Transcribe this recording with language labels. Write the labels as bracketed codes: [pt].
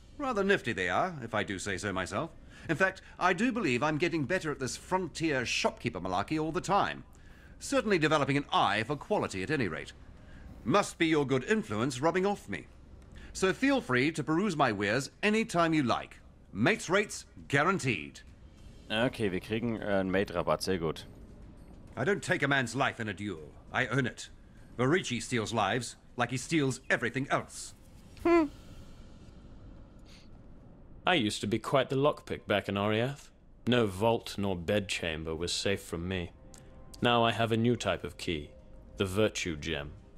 [en] Rather nifty they are, if I do say so myself. In fact, I do believe I'm getting better at this frontier shopkeeper malarkey all the time. Certainly developing an eye for quality at any rate. Must be your good influence rubbing off me. So feel free to peruse my wares anytime you like. Mates rates guaranteed. [de] Okay, wir kriegen einen Mate-Rabatt, sehr gut. [en] I don't take a man's life in a duel. I earn it. Verici steals lives like he steals everything else. I used to be quite the lockpick back in Aureath. No vault nor bedchamber was safe from me. Now I have a new type of key, the Virtue Gem.